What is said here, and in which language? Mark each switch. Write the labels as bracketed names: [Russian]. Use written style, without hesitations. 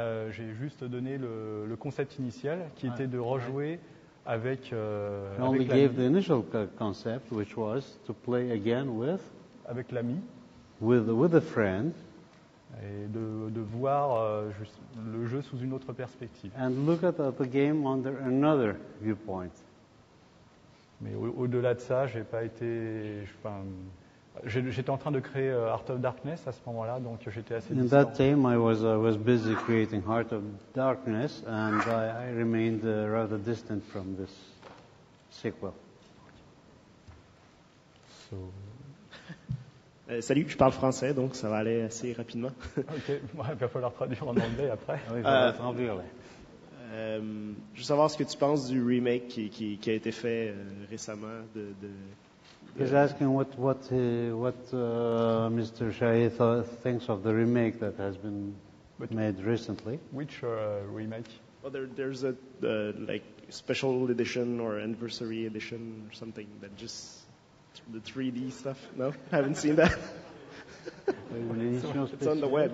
[French] J'ai juste donné le concept initial, qui était de rejouer. Avec, [English] I only [French] avec [English] gave the initial concept, which was to play again with, [French] avec l'ami, [English] with a friend, [French] et de voir le jeu sous une autre perspective, [English] and look at the game under another viewpoint. [French] Mais au-delà de ça, j'ai pas été, j'étais en train de créer Heart of Darkness à ce moment-là, donc j'étais assez. [English] In that time, I was busy creating Heart of Darkness, and I remained rather distant from this sequel. So. [French] Salut, je parle français, donc ça va aller assez rapidement. Ok, ouais, il va falloir traduire en anglais après. Oui, il va falloir traduire. Je veux savoir ce que tu penses du remake qui a été fait récemment de. [English] He's asking what Mr. Chahi thinks of the remake that has been made recently. Which remake? Well, there's a special edition or anniversary edition or something that just the 3D stuff. No, I haven't seen that. It's on the web.